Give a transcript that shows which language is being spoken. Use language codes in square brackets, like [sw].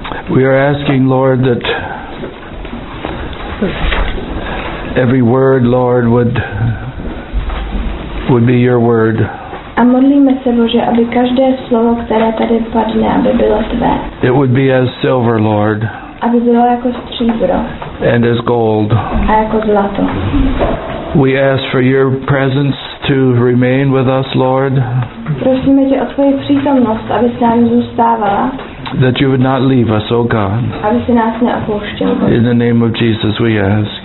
[en] We are asking, Lord, that every word, Lord, would be your word. [cs] A modlíme se, Bože, aby každé slovo, které tady padne, aby bylo tvé. [en] It would be as silver, Lord. [cs] Aby bylo jako stříbro. [en] And as gold. [cs] A jako zlato. [en] We ask for your presence to remain with us, Lord. [cs] Prosíme tě o tvoji přítomnost, aby s námi zůstávala. [en] That you would not leave us, O God. [cs] Aby si nás neopouštěl. [en] In the name of Jesus we ask.